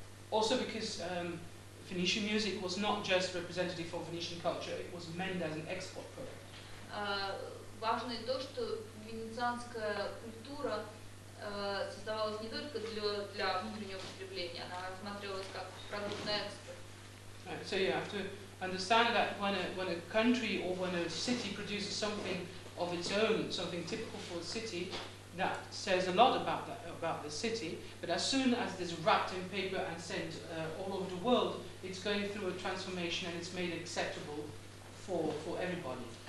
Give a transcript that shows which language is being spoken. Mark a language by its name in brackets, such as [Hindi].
[English] Also because Venetian music was not just representative for Venetian culture, it was meant as an export product. [Russian] Важно и то, что венецианская культура создавалась не только для внутреннего потребления, она рассматривалась как продукт на экспорт. [English] Right, so you have to understand that when a country or when a city produces something of its own, something typical for a city, that says a lot about the city, but as soon as it's wrapped in paper and sent all over the world, it's going through a transformation and it's made acceptable for everybody.